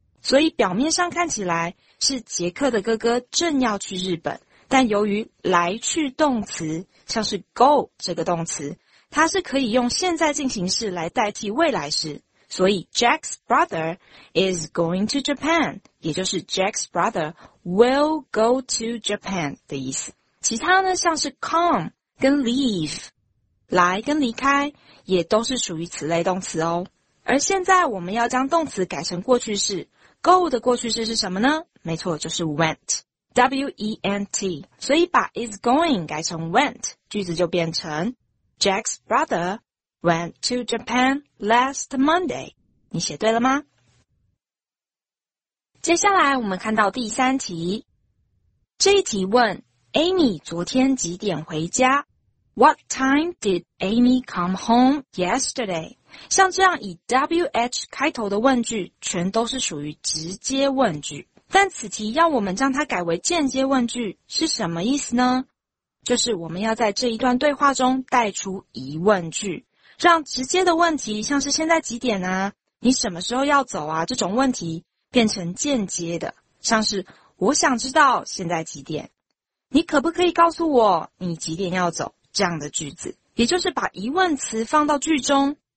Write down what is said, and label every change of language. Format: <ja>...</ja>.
<zh>所以表面上看起来是杰克的哥哥正要去日本，但由于来去动词像是 go 这个动词，它是可以用现在进行式来代替未来式，所以</zh> <en>Jack's brother is going to Japan</en> <zh>也就是</zh> <en>Jack's brother will go to Japan</en> <zh>的意思。其他呢像是 come 跟 leave， 来跟离开也都是属于此类动词哦。而现在我们要将动词改成过去式， go 的过去式是什么呢？没错，就是 went，W-E-N-T， 所以把 is going 改成 went， 句子就变成</zh> <en>Jack's brother went to Japan last Monday。</en> <zh>你写对了吗？接下来我们看到第三题，这一题问 Amy 昨天几点回家？</zh> <en>What time did Amy come home yesterday？</en> <zh>像这样以 WH 开头的问句全都是属于直接问句，但此题要我们将它改为间接问句是什么意思呢？就是我们要在这一段对话中带出疑问句，让直接的问题像是现在几点啊，你什么时候要走啊，这种问题变成间接的，像是我想知道现在几点，你可不可以告诉我你几点要走，这样的句子，也就是把疑问词放到句中。</zh>